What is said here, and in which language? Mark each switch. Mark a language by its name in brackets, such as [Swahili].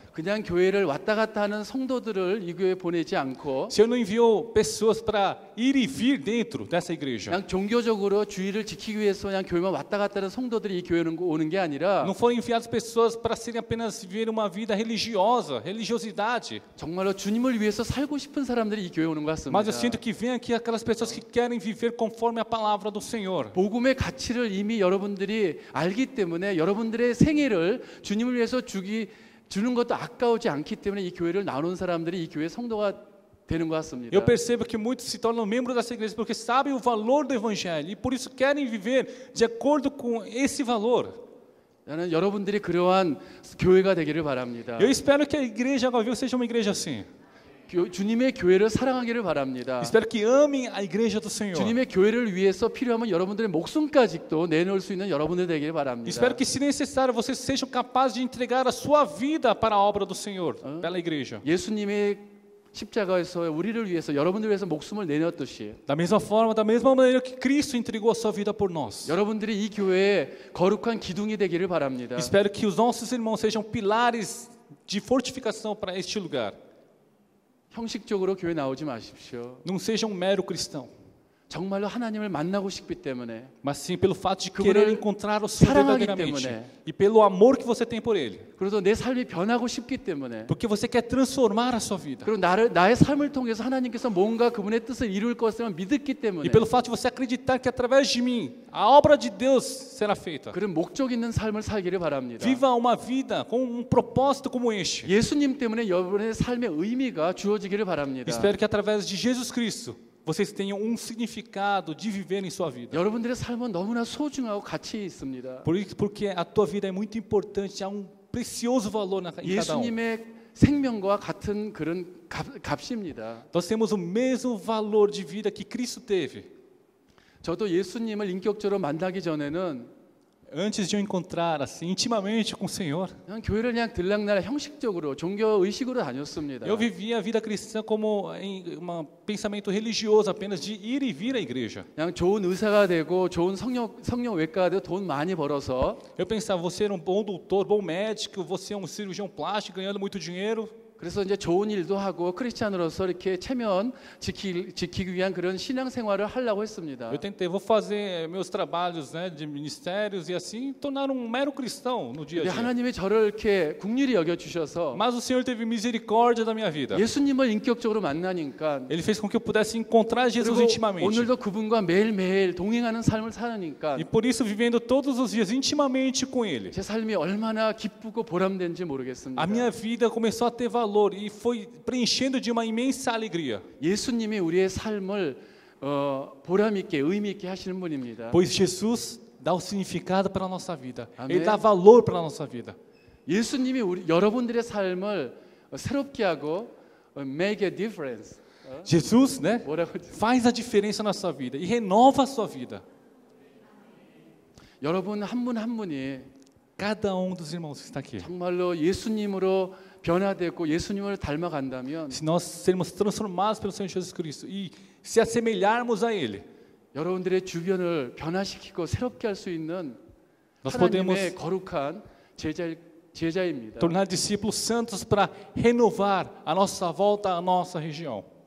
[Korean] 그냥 교회를 왔다 갔다 하는 성도들을 이 교회 보내지 않고 [Portuguese] Se eu não envio pessoas para ir e vir dentro dessa igreja. [Korean] 그냥 종교적으로 주의를 지키기 위해서 그냥 교회만 왔다 갔다 하는 성도들이 이 교회는 오는 게 아니라 [Portuguese] Não foram enviadas pessoas para serem apenas viver uma vida religiosa, religiosidade. [Korean] 정말로 주님을 위해서 살고 싶은 사람들이 이 교회 오는 것 같습니다. [Portuguese] Mas eu sinto que vem aqui aquelas pessoas que querem viver conforme a palavra do Senhor. [Korean] 복음의 가치를 이미 여러분들이 알기 때문에 여러분들의 생애를 주님을 위해서 주기 주는 것도 아까우지 않기 때문에 이 교회를 나눈 사람들이 이 교회 성도가 되는 것 같습니다. [Portuguese] Eu percebo que muitos se tornam membros dessa igreja porque sabem o valor do evangelho e por isso querem viver de acordo com esse valor. [Korean] 나는 여러분들이 그러한 교회가 되기를 바랍니다. [Portuguese] Eu espero que a igreja agora seja uma igreja assim. [Korean] 주님의 교회를 사랑하기를 바랍니다. [Portuguese] Espero que amem a igreja do Senhor. [Korean] 주님의 교회를 위해서 필요하면 여러분들의 목숨까지도 내놓을 수 있는 여러분들 되기를 바랍니다. [Portuguese] Espero que se necessário vocês sejam capazes de entregar a sua vida para a obra do Senhor, pela igreja. [Korean] 예수님의 십자가에서 우리를 위해서 여러분들 위해서 목숨을 내놨듯이 [Portuguese] Da mesma forma, da mesma maneira que Cristo entregou a sua vida por nós. [Korean] 여러분들이 이 교회의 거룩한 기둥이 되기를 바랍니다. [Portuguese] Espero que os nossos irmãos sejam pilares de fortificação para este lugar. [Korean] 형식적으로 교회 나오지 마십시오. [Portuguese] Não seja um mero cristão. [Korean] 정말로 하나님을 만나고 싶기 때문에. [Portuguese] Mas sim pelo fato de querer encontrar o Senhor verdadeiramente. E pelo amor que você tem por ele. [Korean] 그래서 내 삶이 변하고 싶기 때문에. [Portuguese] Porque você quer transformar a sua vida. [Korean] 그리고 나의 삶을 통해서 하나님께서 뭔가 그분의 뜻을 이룰 것을 믿었기 때문에. [Portuguese] E pelo fato de você acreditar que através de mim a obra de Deus será feita. [Korean] 그런 목적 있는 삶을 살기를 바랍니다. [Portuguese] Viva uma vida com um propósito como este. [Korean] 예수님 때문에 여러분의 삶의 의미가 주어지기를 바랍니다. [Portuguese] Espero que através de Jesus Cristo vocês tenham um significado de viver em sua vida. [Korean] 여러분들의 삶은 너무나 소중하고 가치 있습니다. [Portuguese] Porque a tua vida é muito importante, há um precioso valor em cada um. [Korean] 예수님의 생명과 같은 그런 값입니다. [Portuguese] Nós temos o mesmo valor de vida que Cristo teve. [Korean] 저도 예수님을 인격적으로 만나기 전에는 [Portuguese] Antes de eu encontrar assim intimamente com o Senhor, [Korean] 그냥 교회를 그냥 들락날락 형식적으로 종교 의식으로 다녔습니다. [Portuguese] Eu vivia a vida cristã como um pensamento religioso apenas de ir e vir à igreja. [Korean] 그냥 좋은 의사가 되고 좋은 성형외과가 되고 돈 많이 벌어서 [Portuguese] Eu pensava, você era um bom doutor, bom médico, você é um cirurgião plástico ganhando muito dinheiro. [Korean] 그래서 이제 좋은 일도 하고 크리스찬으로서 이렇게 체면 지키기 위한 그런 신앙생활을 하려고 했습니다. [Portuguese] Eu tentei vou fazer meus trabalhos, né, de ministérios e assim tornar um mero cristão no dia a dia. [Korean] 하나님이 저를 이렇게 긍휼히 여겨 주셔서 [Portuguese] Mas o Senhor teve misericórdia da minha vida. [Korean] 예수님을 인격적으로 만나니까 [Portuguese] Ele fez com que eu pudesse encontrar Jesus intimamente. [Korean] 오늘도 그분과 매일매일 동행하는 삶을 사니까 [Portuguese] E por isso vivendo todos os dias intimamente com ele. [Korean] 제 삶이 얼마나 기쁘고 보람된지 모르겠습니다. [Portuguese] A minha vida começou a ter valor e foi preenchendo de uma imensa alegria. [Korean] 예수님이 우리의 삶을 보람 있게 의미 있게 하시는 분입니다. [Portuguese] Pois Jesus dá o significado para a nossa vida. 아멘. Ele dá valor para a nossa vida. [Korean] 예수님이 여러분들의 삶을 새롭게 하고 [English] make a difference. [Portuguese] Jesus, né? Faz a diferença na sua vida e renova a sua vida. [Korean] 여러분 한 분 한 분이 [Portuguese] cada um dos irmãos que está aqui. [Korean] 정말로 예수님으로 변화되고 예수님을 닮아간다면 [Portuguese] Se nós sermos transformados pelo Senhor Jesus Cristo e se assemelharmos a ele [Korean] 여러분들의 주변을 변화시키고 새롭게 할 수 있는 하나님의 거룩한 제자입니다. [Portuguese] Tornar discípulos santos para renovar a nossa volta à nossa região.